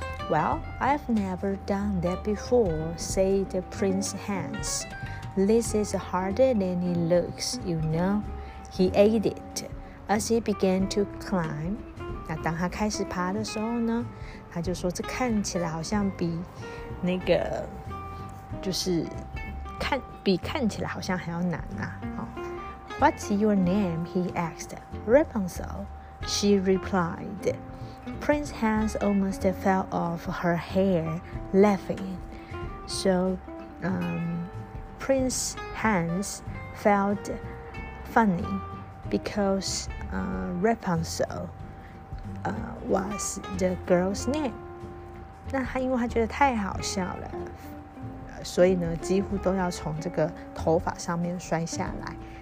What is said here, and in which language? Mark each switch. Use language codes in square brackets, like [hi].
[en] Well, I've never done that before, said Prince Hans. This is harder than it looks, you know. He added, as he began to climb. [zh] 那当他开始爬的时候呢，他就说这看起来好像比那个，就是看，比看起来好像还要难啊。 [en] What's your name? He asked. Rapunzel, she replied. Prince Hans almost fell off her hair, laughing. So, Prince Hans felt funny because Rapunzel was the girl's name. [zh] 那他因为他觉得太好笑了，所以呢，几乎都要从这个头发上面摔下来。